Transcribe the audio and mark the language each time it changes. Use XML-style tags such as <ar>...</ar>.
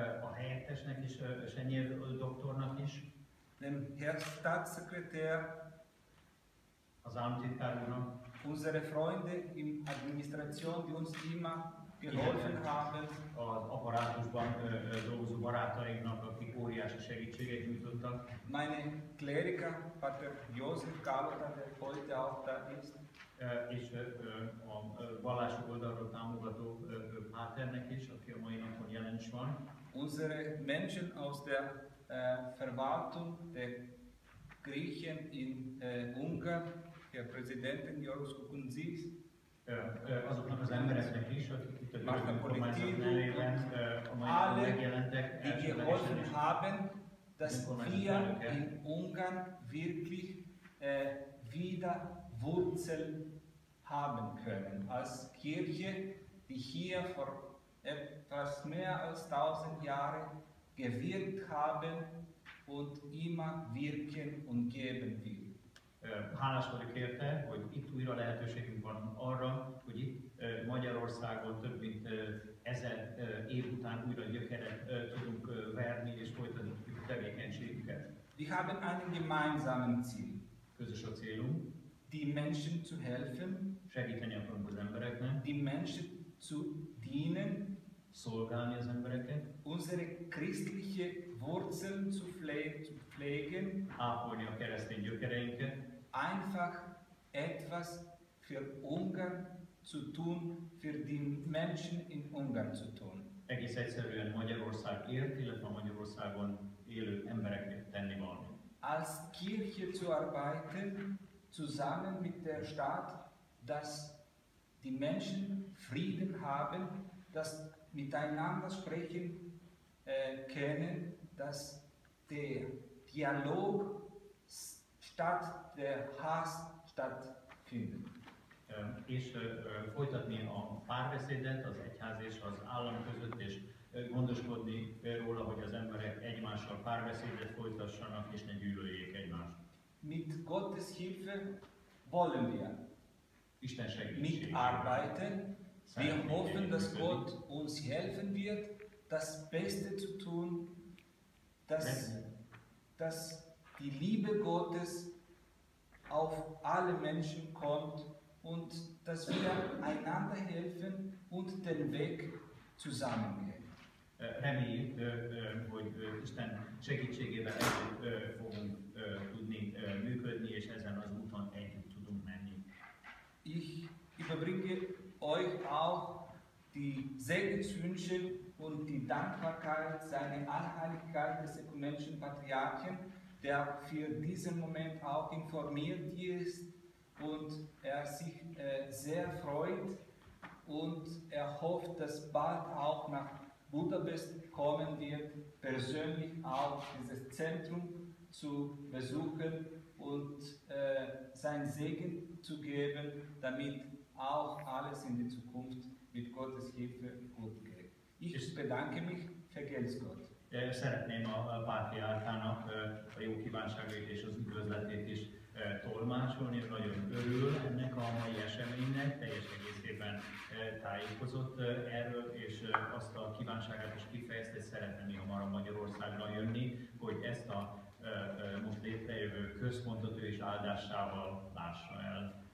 <hu>A helyettesnek is, Csenyé doktornak is.</hu> <de>Dem Herr Staatssekretär.</de> <hu>Az államtitkár úrnak.</hu> <de>Unsere Freunde in Administration, die uns immer geholfen haben.</de> <hu>Az apparátusban dolgozó barátainknak, akik óriási segítséget nyújtottak.</hu> <de>Meine Kleriker, Pater Josef Kalota, der heute auch da ist.</de> <hu>És a vallások oldalról támogató páternek is, aki a mai napon jelen is van.</hu> <de>Unsere Menschen aus der Verwaltung der Griechen in Ungarn, Herr Präsident Jörg Kukunzis,</de> <hu>azoknak az embereknek is, akik itt a Bürgerkormányzat nevében a mai napon megjelentek.</hu> <de>Alle, die geholfen haben, dass wir in Ungarn wirklich wieder Wurzel haben können. Als Kirche, die hier vor etwas mehr als 1000 Jahre gewirkt haben und immer wirken und geben will.</de> <hu>Hálás vagyok érte, hogy itt újra lehetőségünk van arra, hogy itt Magyarországon több mint 1000 év után újra gyökeret tudunk verni és folytatni a tevékenységünket.</hu> <de>Wir haben einen gemeinsamen Ziel.</de> <hu>Közös a célunk.</hu> <de>Die Menschen zu helfen.</de> <hu>Segíteni akarunk az embereknek.</hu> <de>Die Menschen zu dienen.</de> <hu>Szolgálni az embereket.</hu> <de>Unsere christliche Wurzeln zu pflegen.</de> <hu>Ápolni a keresztény gyökereinket.</hu> <de>Einfach etwas für Ungarn zu tun, für die Menschen in Ungarn zu tun.</de> <hu>Egész egyszerűen Magyarországért, illetve Magyarországon élő embereket tenni valamit.</hu> <de>Als Kirche zu arbeiten, zusammen mit der Stadt, dass die Menschen Frieden haben, dass miteinander sprechen können, dass der Dialog statt der Hass stattfindet.</de> <hu>És folytatni a párbeszédet az egyház és az állam között, és gondoskodni róla, hogy az emberek egymással párbeszédet folytassanak, és ne gyűlöljék egymást.</hu> <de>Mit Gottes Hilfe wollen wir.</de> <hu>Isten segítségével.</hu> <de>Mit arbeiten. Wir hoffen, dass Gott uns helfen wird, das Beste zu tun, dass die Liebe Gottes auf alle Menschen kommt und dass wir einander helfen und den Weg zusammen gehen.</de> <hu>Reméljük, hogy Isten segítségével fogunk tudni működni, és ezen az úton együtt tudunk menni.</hu> <de>Ich überbringe euch auch die Segenswünsche und die Dankbarkeit seiner Allheiligkeit des Ökumenischen Patriarchen, der für diesen Moment auch informiert ist und er sich sehr freut und er hofft, dass bald auch nach Budapest kommen wird, persönlich auch dieses Zentrum zu besuchen und sein Segen zu geben, damit auch alles in die Zukunft mit Gottes Hilfe gut geht. Ich bedanke mich, vergelt's Gott.</de> <hu>Szeretném a pátriárkának a jó kívánságait és az üdvözletét is tolmácsolni. Nagyon örül ennek a mai eseménynek, teljes egészében tájékozott erről, és azt a kívánságát is kifejezte, hogy szeretne mi hamarabb Magyarországra jönni, hogy ezt a most létrejövő központot ő is áldásával lássa el.</hu>